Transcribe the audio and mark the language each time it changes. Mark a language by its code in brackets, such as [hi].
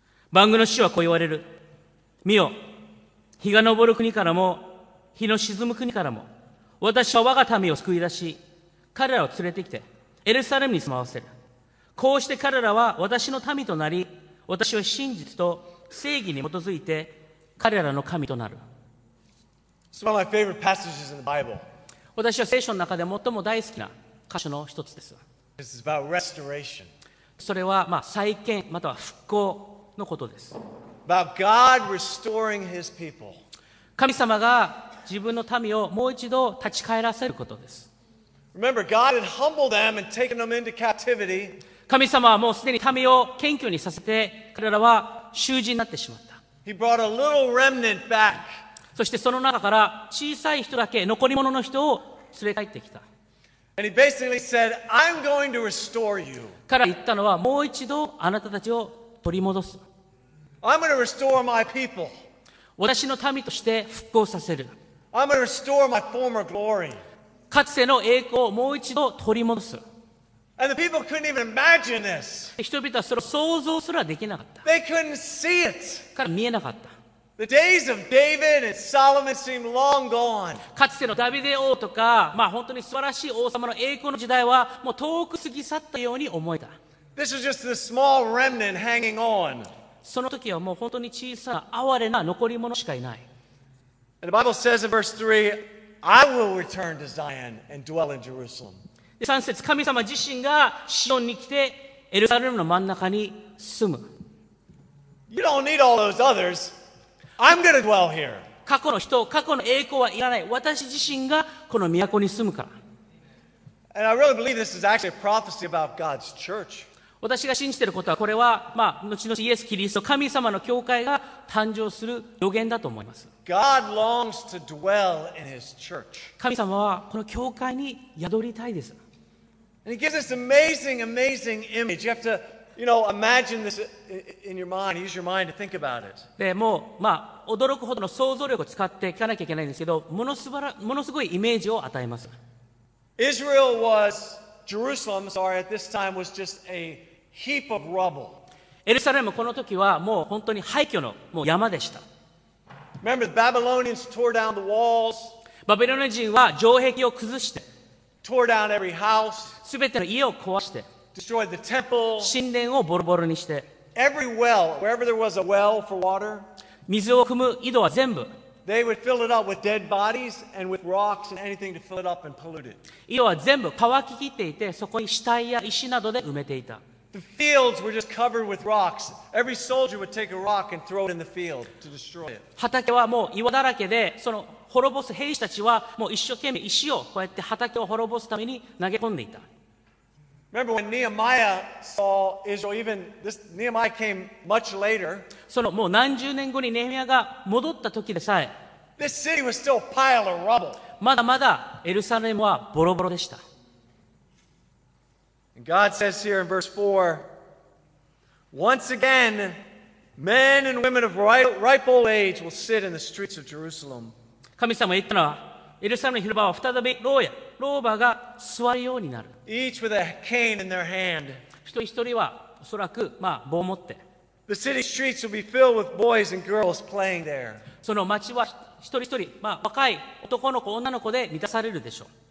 [ja] 万軍の主はこう言われる。見よ、日が昇る国からも日の沈む国からも、私は我が民を救い出し、彼らを連れてきてエルサレムに住まわせる。こうして彼らは私の民となり、私は真実と正義に基づいて彼らの神となる。 [en] It's one of my favorite passages in the Bible. [ja] 私は聖書の中で最も大好きな箇所の一つです。 [en] This is about restoration. [ja] それは、まあ、再建または復興のことです。 [en] About God restoring his people. [ja] 神様が自分の民をもう一度立ち返らせることです。 [en] Remember, God had humbled them and taken them into captivity. [ja] 神様はもうすでに民を謙虚にさせて、彼らは囚人になってしまった。 [en] He brought a little remnant back. [ja] そしてその中から小さい人だけ、残り物の人を連れ帰ってきた。 [en] And he basically said, I'm going to restore you. [ja] 彼は言ったのは、もう一度あなたたちを取り戻す。 [en] I'm going to restore my people. [ja] 私の民として復興させる。 [en] I'm going to restore my former glory. [ja] かつての栄光をもう一度取り戻す。 [en] And the people couldn't even imagine this. [ja] 人々はそれを想像すらできなかった。 [en] They couldn't see it. [ja] 彼は見えなかった。 [en] The days of David and Solomon seemed long gone. [ja] かつてのダビデ王とか、まあ本当に素晴らしい王様の栄光の時代はもう遠く過ぎ去ったように思えた。 [en] This is just the small remnant hanging on. [ja] その時はもう本当に小さな哀れな残り物しかいない。 [en] And the Bible says in verse 3, I will return to Zion and dwell in Jerusalem. [ja] 3節、神様自身がシオンに来てエルサレムの真ん中に住む。 [en] You don't need all those others. I'm going to dwell here. [ja] 過去の人、過去の栄光はいらない。私自身がこの都に住むから。 [en] And I really believe this is actually a prophecy about God's church. [ja] 私が信じていることは、これは、まあ、後々イエス・キリスト、神様の教会が誕生する予言だと思います。 [en] God longs to dwell in his church. [ja] 神様はこの教会に宿りたいです。 [en] And he gives this amazing, amazing image. You have to, you know, imagine this in your mind. Use your mind to think about it. [ja] で、もう、まあ、驚くほどの想像力を使って聞かなきゃいけないんですけど、ものすごいイメージを与えます。 [en] Israel was, Jerusalem, sorry, at this time was just a heap of rubble. [ja] エルサレムこの時はもう本当に廃墟のもう山でした。 [en] Remember, the Babylonians tore down the walls. [ja] バビロニア人は城壁を崩して、 [en] tore down every house. [ja] すべての家を壊して、 [en] destroyed the temple. [ja] 神殿をボロボロにして、 [en] every well, wherever there was a well for water. [ja] 水を汲む井戸は全部、 [en] they would fill it up with dead bodies and with rocks and anything to fill it up and pollute it. [ja] 井戸は全部乾ききっていて、そこに死体や石などで埋めていた。 [en] The fields were just covered with rocks. Every soldier would take a rock and throw it in the field to destroy it. [ja] 畑はもう岩だらけで、その滅ぼす兵士たちはもう一生懸命石をこうやって畑を滅ぼすために投げ込んでいた。 [en] Remember when Nehemiah saw Israel? Even this Nehemiah came much later. [ja] そのもう何十年後にネヘミヤが戻った時でさえ、 [en] this city was still a pile of rubble. [ja] まだまだエルサレムはボロボロでした。 [en] God says here in verse 4, once again, men and women of ripe old age will sit in the streets of Jerusalem. [ja] 神様言ったのは、エルサレムの広場は再び老婆が座るようになる。 [en] Each with a cane in their hand. [ja] 一人一人はおそらく、まあ、棒を持って。 [en] The city streets will be filled with boys and girls playing there. [ja] その町は一人一人、まあ、若い男の子、女の子で満たされるでしょう。